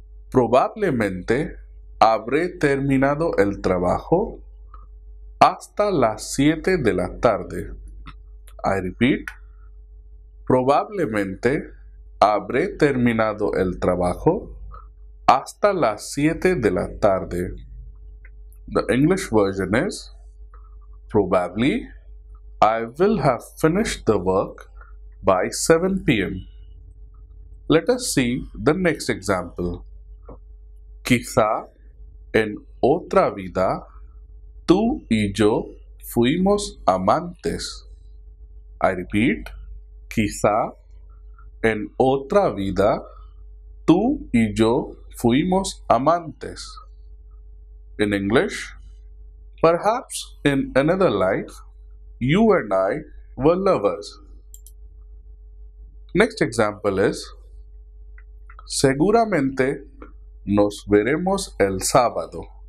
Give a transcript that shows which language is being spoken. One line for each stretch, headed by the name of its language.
Spanish: Probablemente habré terminado el trabajo hasta las 7 de la tarde.
English: I repeat.
Spanish: Probablemente habré terminado el trabajo hasta las 7 de la tarde.
English: The English version is, probably I will have finished the work by 7 p.m. Let us see the next example.
Spanish: Quizá en otra vida tú y yo fuimos amantes.
English: I repeat.
Spanish: Quizá en otra vida tú y yo fuimos amantes.
English: In English, perhaps in another life, you and I were lovers. Next example is,
Spanish: seguramente nos veremos el sábado.